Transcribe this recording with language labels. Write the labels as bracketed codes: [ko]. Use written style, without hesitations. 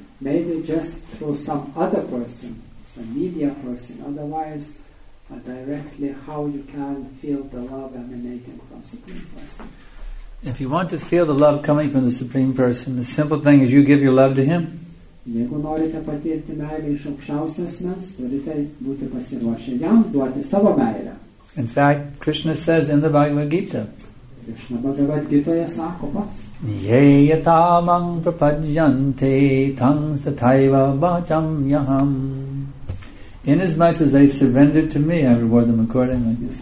[en] Maybe just through some other person, some media person. Otherwise, directly, how you can feel the love emanating from the Supreme Person? If you want to feel the love coming from the Supreme Person, the simple thing is you give your love to Him. [lt] Jeigu norite patirti meilę iš aukščiausio asmens, turite būti pasiruošę jam duoti savo meilę. [en] In fact, Krishna says in the Bhagavad Gita, [lt] Krishna Bhagavad Gita sako pats, [sa] ye yatamam prapajyante tans tathaiva vacham yaham. [en] Inasmuch as they surrender to me, I reward them accordingly.